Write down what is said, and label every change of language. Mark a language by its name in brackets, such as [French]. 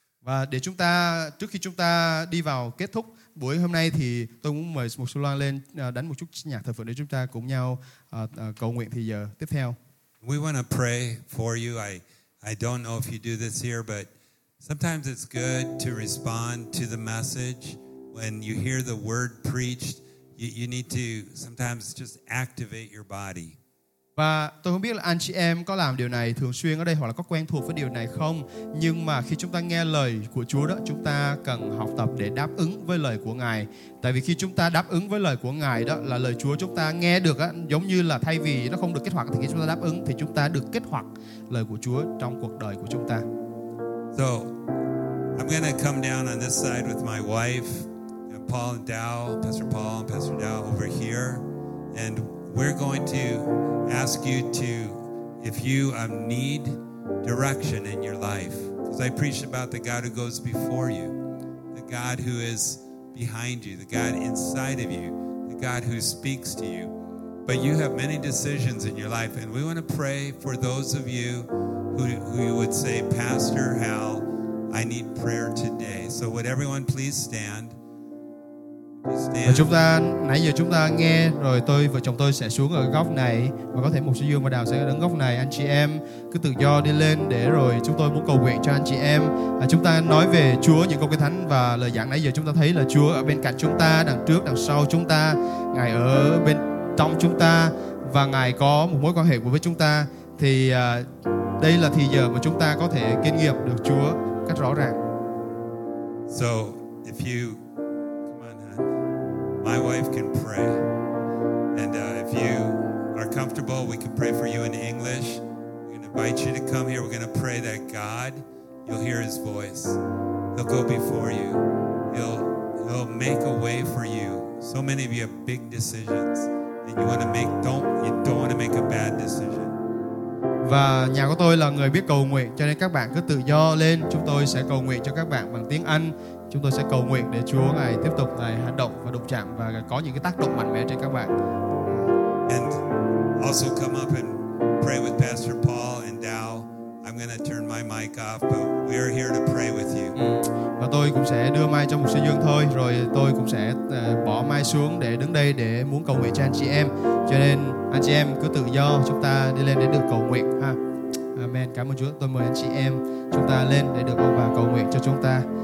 [Vietnamese] Và để chúng ta, trước khi chúng ta đi vào kết thúc buổi hôm nay, thì tôi muốn mời một số Loan lên đánh một chút nhạc thờ phượng để chúng ta cùng nhau cầu nguyện thì giờ tiếp theo. [English] We want to pray for you. I don't know if you do this here, but sometimes it's good to respond to the message. When you hear the word preached, you need to sometimes just activate your body. [Vietnamese] Và tôi không biết là anh chị em có làm điều này thường xuyên ở đây, hoặc là có quen thuộc với điều này không. Nhưng mà khi chúng ta nghe lời của Chúa đó, chúng ta cần học tập để đáp ứng với lời của Ngài. Tại vì khi chúng ta đáp ứng với lời của Ngài đó, là lời Chúa chúng ta nghe được á, giống như là thay vì nó không được kích hoạt, thì khi chúng ta đáp ứng thì chúng ta được kích hoạt lời của Chúa trong cuộc đời của chúng ta. [English] So, I'm going to come down on this side with my wife and Paul and Dow, Pastor Paul and Pastor Dow over here, and we're going to ask you to, if you need direction in your life, because I preach about the God who goes before you, the God who is behind you, the God inside of you, the God who speaks to you. But you have many decisions in your life, and we want to pray for those of you who you would say, Pastor Hal, I need prayer today. So would everyone please stand? [Vietnamese] Và chúng ta, nãy giờ chúng ta nghe rồi, tôi và chồng tôi sẽ xuống ở góc này, và có thể một số Dương và Đào sẽ đứng góc này. Anh chị em cứ tự do đi lên, để rồi chúng tôi muốn cầu nguyện cho anh chị em. Chúng ta nói về Chúa, những câu kinh thánh và lời giảng nãy giờ, chúng ta thấy là Chúa ở bên cạnh chúng ta, đằng trước, đằng sau chúng ta, Ngài ở bên trong chúng ta, và Ngài có một mối quan hệ với chúng ta. Thì đây là thời giờ mà chúng ta có thể kinh nghiệm được Chúa cách rõ ràng. [English] So if you, my wife can pray, and if you are comfortable, we can pray for you in English. We're going to invite you to come here. We're going to pray that God, you'll hear his voice. He'll go before you. He'll make a way for you. So many of you have big decisions, and you don't want to make a bad decision. [Vietnamese] Và nhà của tôi là người biết cầu nguyện, cho nên các bạn cứ tự do lên. Chúng tôi sẽ cầu nguyện cho các bạn bằng tiếng Anh. Chúng tôi sẽ cầu nguyện để Chúa Ngài tiếp tục Ngài hành động và đụng chạm và có những cái tác động mạnh mẽ trên các bạn. [English] And also come up and pray with Pastor Paul and Dow. I'm going to turn my mic off, but we are here to pray with you. [Vietnamese] Và tôi cũng sẽ đưa mic cho mục sư Dương thôi, rồi tôi cũng sẽ bỏ mic xuống để đứng đây để muốn cầu nguyện cho anh chị em. Cho nên anh chị em cứ tự do, chúng ta đi lên để được cầu nguyện ha. Amen. Cảm ơn Chúa. Tôi mời anh chị em chúng ta lên để được ông bà cầu nguyện cho chúng ta.